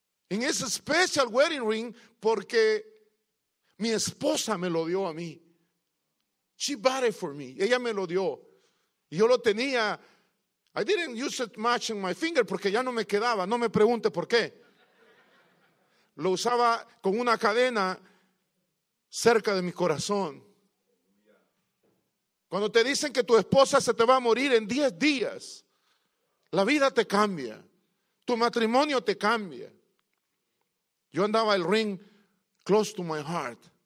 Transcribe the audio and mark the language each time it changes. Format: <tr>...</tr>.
<es>En ese</es> <en>special wedding ring,</en> <es>porque mi esposa me lo dio a mí.</es> <en>She bought it for me.</en> <es>Ella me lo dio. Yo lo tenía.</es> <en>I didn't use it much in my finger</en> <es>porque ya no me quedaba. No me pregunte por qué. Lo usaba con una cadena cerca de mi corazón. Cuando te dicen que tu esposa se te va a morir en 10 días, la vida te cambia. Tu matrimonio te cambia. Yo andaba el</es> <en>ring close to my heart.</en>